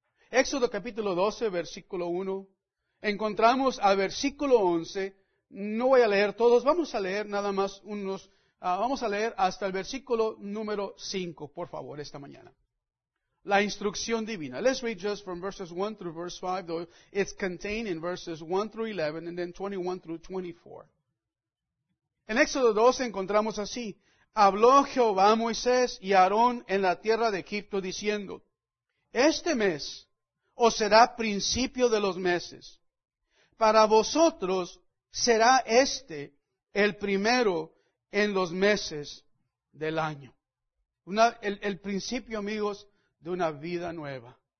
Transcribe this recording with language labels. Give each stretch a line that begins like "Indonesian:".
Spanish: Éxodo capítulo 12, versículo 1. Encontramos al versículo 11. No voy a leer todos. Vamos a leer nada más unos. Vamos a leer hasta el versículo número 5, por favor, esta mañana. La instrucción divina.
English: Let's read just from verses 1 through verse 5, though it's contained in verses 1 through 11 and then 21 through 24.
Spanish: En Éxodo 12 encontramos así. Habló Jehová a Moisés y a Aarón en la tierra de Egipto diciendo, este mes os será principio de los meses. Para vosotros será este el primero en los meses del año. El principio, amigos, de una vida nueva.